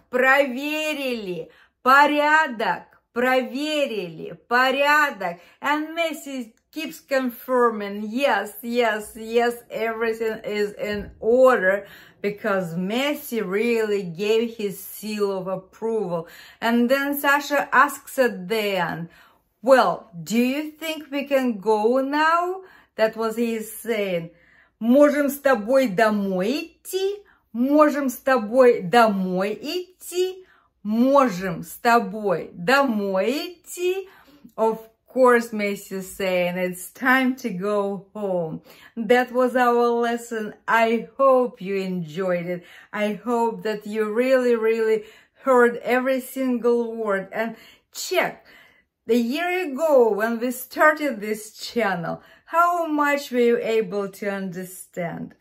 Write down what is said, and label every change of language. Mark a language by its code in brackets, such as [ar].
[ru] Проверили, порядок, проверили, порядок. [en] And Messi keeps confirming, yes, yes, yes, everything is in order, because Messi really gave his seal of approval. And then Sasha asks at the end, well, do you think we can go now? That was he saying. [ru] Можем с тобой домой идти. Можем с тобой домой идти. Можем с тобой домой идти. [en] Of course, Messi is saying it's time to go home. That was our lesson. I hope you enjoyed it. I hope that you really, really heard every single word. And check, the year ago when we started this channel, how much were you able to understand?